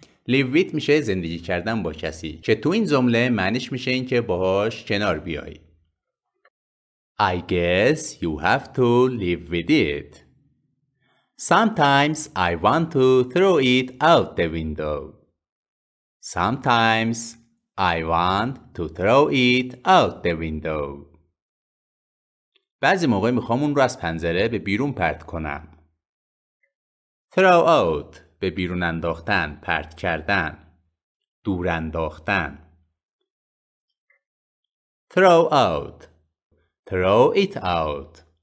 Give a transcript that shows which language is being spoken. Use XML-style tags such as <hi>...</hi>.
<fa>Live with میشه زندگی کردن با کسی, که تو این جمله معنیش میشه این که باهاش شنار بیای.</fa> <en>I guess you have to live with it. Sometimes I want to throw it out the window. Sometimes I want to throw it out the window.</en> <fa>بعضی موقع میخوام اون رو از پنجره به بیرون پرت کنم.</fa> <en>Throw out</en> <fa>به بیرون انداختن، پرت کردن، دور انداختن.</fa> <en>Throw out. Throw it out.</en>